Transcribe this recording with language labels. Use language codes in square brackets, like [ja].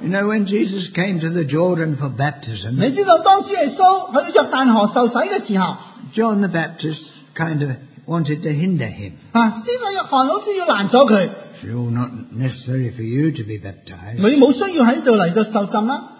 [en] you know, when Jesus came to the Jordan for baptism, [zh] 你知道,当主耶稣,他在约旦河受洗的时候, [en] John the Baptist kind of wanted to hinder him. [zh] 先生约翰好像要拦阻他, [en] sure, not necessary for you to be baptized. [zh] 你没需要在这里受浸啊,